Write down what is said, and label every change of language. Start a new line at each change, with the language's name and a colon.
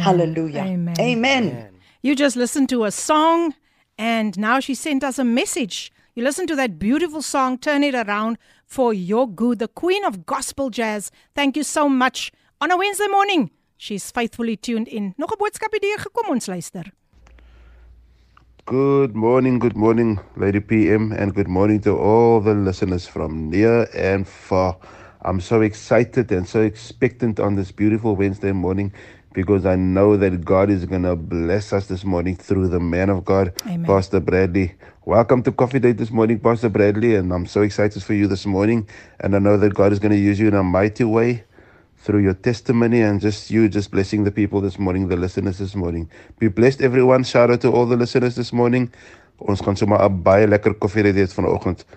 English: Hallelujah. Amen. You just listened to a song and now she sent us a message. You listen to that beautiful song, Turn It Around for Your Good, the Queen of Gospel Jazz. Thank you so much. On a Wednesday morning, she's faithfully tuned in.
Afrikaans: Nog 'n boodskap hier gekom, ons luister.
English: Good morning, Lady PM, and good morning to all the listeners from near and far. I'm so excited and so expectant on this beautiful Wednesday morning because I know that God is going to bless us this morning through the man of God, Amen. Pastor Bradley. Welcome to Coffee Date this morning, Pastor Bradley, and I'm so excited for you this morning, and I know that God is going to use you in a mighty way through your testimony and just you just blessing the people this morning, the listeners this morning. Be blessed, everyone. Shout out to all the listeners this morning.
Afrikaans: Ons gaan sommer 'n baie lekker koffie ry dit vanoggend.